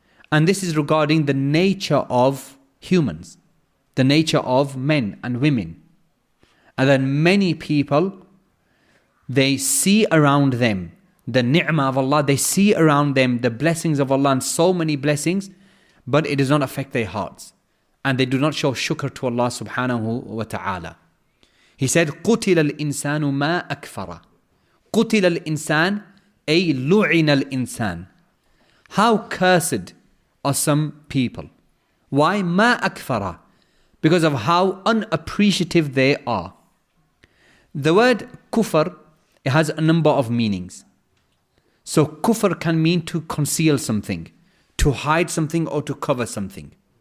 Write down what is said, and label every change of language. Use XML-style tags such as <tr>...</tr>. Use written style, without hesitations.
<en>And this is regarding the nature of humans, the nature of men and women. And then many people, they see around them the ni'mah of Allah, they see around them the blessings of Allah and so many blessings, but it does not affect their hearts. And they do not show shukr to Allah subhanahu wa ta'ala. He said,</en> <ar>قُتِلَ الْإِنسَانُ مَا أَكْفَرَ. قُتِلَ الْإِنسَانُ أَيْ لُعِنَ الْإِنسَانُ.</ar> <en>How cursed are some people. Why?</en> <ar>مَا أَكْفَرَ.</ar> <en>Because of how unappreciative they are. The word kufr, it has a number of meanings. So kufr can mean to conceal something, to hide something or to cover something.</en>